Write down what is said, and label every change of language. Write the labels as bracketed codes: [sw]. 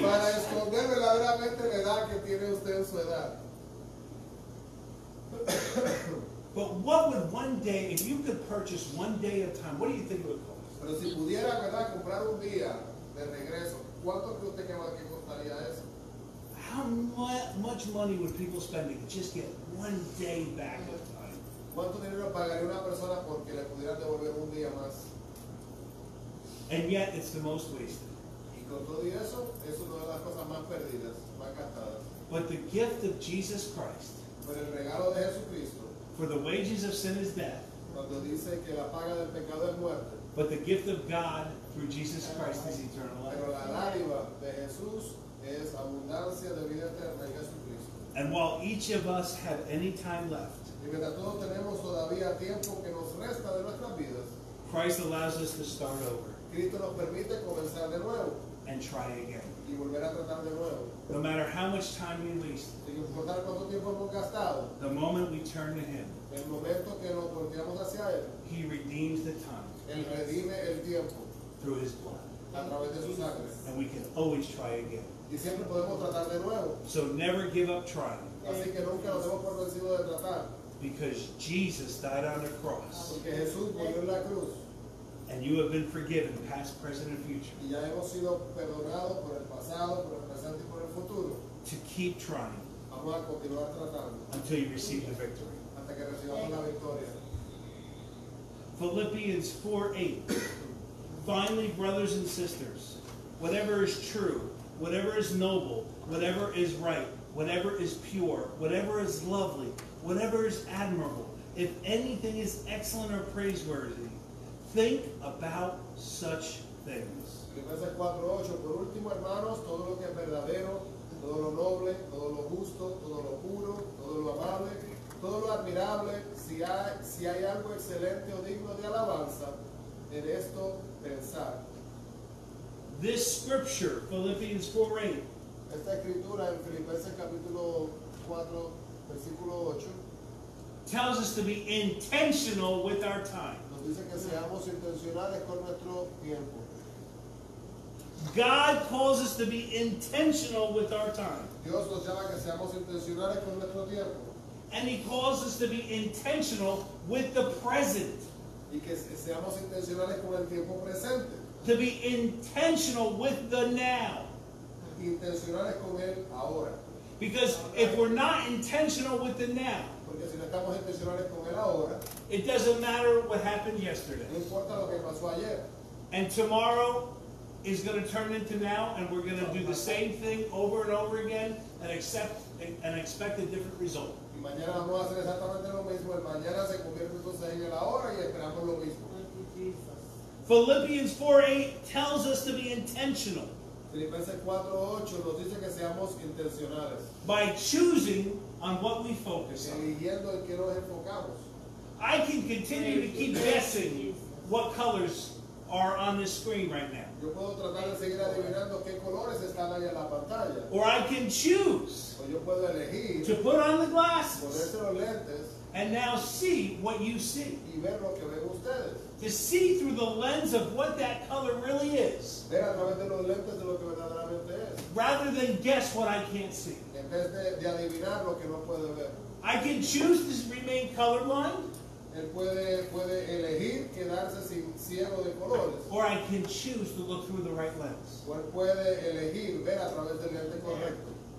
[es] Para esconder verdaderamente la edad que tiene usted en su edad. [en] But what would one day, if you could purchase one day of time, what do you think it would cost? [es] Pero si pudiera, ¿verdad?, comprar un día de regreso, ¿cuánto cree usted que costaría eso? [en] How much money would people spend to just get one day back of time? [es] ¿Cuánto dinero pagaría una persona porque le pudieran devolver un día más? [en] And yet, it's the most wasted. [es] Y con todo eso, es una de las cosas más perdidas, más gastadas. [en] But the gift of Jesus Christ. [es] Pero el regalo de Jesucristo. [en] For the wages of sin is death. [es] Cuando dice que la paga del pecado es muerte. [en] But the gift of God through Jesus Christ is eternal life. [es] Pero la dádiva de Jesús es abundancia de vida eterna en Jesucristo. [en] And while each of us have any time left. [es] Y mientras todos tenemos todavía tiempo que nos resta de nuestras vidas. [en] Christ allows us to start over. [es] Cristo nos permite comenzar de nuevo. [en] And try again. [es] Y volver a tratar de nuevo. [en] No matter how much time we waste, [es] sin importar cuánto tiempo hemos gastado, [en] the moment we turn to Him, [es] el momento que nos volteamos hacia Él, [en] He redeems the time. [es] Él redime el tiempo [en] through His blood. [es] A través de su sangre. [en] And we can always try again. [es] Y siempre podemos tratar de nuevo. [en] So never give up trying. [es] Así que nunca nos hemos por vencido de tratar. [en] Because Jesus died on the cross. [es] Porque Jesús murió en la cruz. [en] And you have been forgiven, past, present, and future. [es] Y ya hemos sido perdonados por el pasado, por el presente y por el futuro. [en] To keep trying. [es] Vamos a continuar tratando. [en] Until you receive the victory. [es] Hasta que recibamos la victoria. [en] Philippians 4:8. Finally, brothers and sisters, whatever is true, whatever is noble, whatever is right, whatever is pure, whatever is lovely, whatever is admirable, if anything is excellent or praiseworthy, think about such things. [es] Filipenses 4:8. Por último, hermanos, todo lo que es verdadero, todo lo noble, todo lo justo, todo lo puro, todo lo amable, todo lo admirable, si hay algo excelente o digno de alabanza, en esto pensar. [en] This scripture, Philippians 4:8. [es] Esta escritura en Filipenses capítulo 4, versículo 8, [en] tells us to be intentional with our time. [es] Nos dice que seamos intencionales con nuestro tiempo. [en] God calls us to be intentional with our time. [es] Dios nos llama que seamos intencionales con nuestro tiempo. [en] And he calls us to be intentional with the present. [es] Y que seamos intencionales con el tiempo presente. [en] To be intentional with the now. [es] Intencionales con el ahora. [en] Because if we're not intentional with the now, [es] porque si no estamos intencionales con el ahora, [en] it doesn't matter what happened yesterday. [es] No importa lo que pasó ayer. [en] And tomorrow is going to turn into now, and we're going to do the same thing over and over again and accept and expect a different result. [es] Y mañana vamos a hacer exactamente lo mismo. El mañana se convierte entonces en el ahora y esperamos lo mismo. [en] Philippians 4:8 tells us to be intentional. [es] Filipenses 4:8 nos dice que seamos intencionales. [en] By choosing on what we focus on. [es] Eligiendo en qué nos enfocamos. [en] I can continue to keep guessing what colors are on the screen right now. [es] Yo puedo tratar de seguir adivinando qué colores están ahí en la pantalla. [en] Or I can choose. [es] O yo puedo elegir. [en] To put on the glasses. [es] Ponerse los lentes. [en] And now see what you see. [es] Y ver lo que ven ustedes. [en] To see through the lens of what that color really is. [es] Ver a través de los lentes de lo que verdaderamente es. [en] Rather than guess what I can't see. [es] En vez de adivinar lo que no puedo ver. [en] I can choose to remain colorblind. [es] Él puede elegir quedarse sin ciego de colores. [en] Or I can choose to look through the right lens. [es] O él puede elegir ver a través del lente correcto.